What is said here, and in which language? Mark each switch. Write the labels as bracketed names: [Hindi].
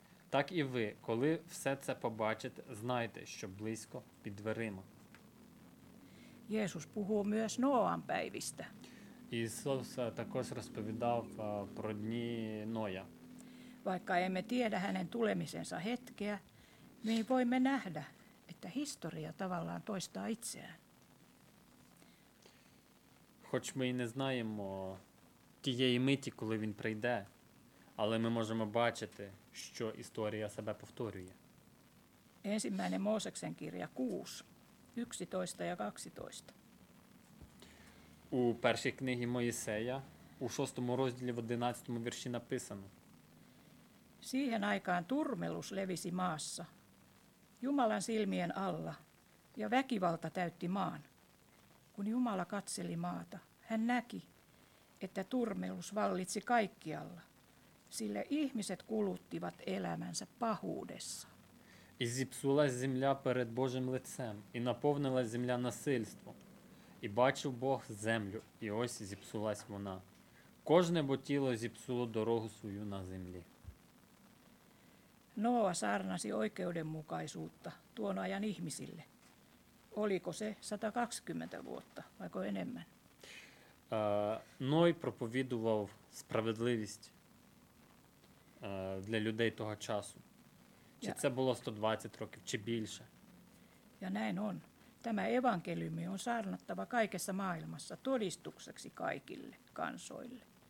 [Ukrainian] Так і ви, коли все це побачите, знайте, що близько під дверима. [Finnish] Jeesus puhuu myös Noan päivistä. [Ukrainian] Ісус також розповідав про дні Ноя. [Finnish] Vaikka emme tiedä hänen tulemisensa hetkeä, niin voimme nähdä, että historia tavallaan toistaa itseään. [Ukrainian] Хоч ми і не знаємо тієї миті, коли він прийде, але ми можемо бачити, що історія себе повторює. [Finnish] Ensimmäinen Mooseksen kirja 6:11-12. [Ukrainian] У першій книгі Моїсея, у 6-му розділі, в 11-му вірші написано. [Finnish] Siihen aikaan turmelus levisi maassa, Jumalan silmien alla, ja väkivalta täytti maan. Kun Jumala katseli maata, hän näki, että turmelus vallitsi kaikkialla, sillä ihmiset kuluttivat elämänsä pahuudessa. [Ukrainian] І зіпсулась земля перед Божим лицем, і наповнилась земля насильством. І бачив Бог землю, і ось зіпсулась вона. Кожне бо тіло зіпсуло дорогу свою на землі. [Finnish] Ноа сарнасі oikeudenmukaisuutta tuon ajan ihmisille. Oliko se 120 vuotta, vaiko enemmän? [Ukrainian] Ной проповідував справедливість для людей того часу. Чи це було 120 років, чи більше. [Finnish] Ja näin on. Tämä evankeliumi on saarnattava kaikessa maailmassa todistukseksi kaikille kansoille.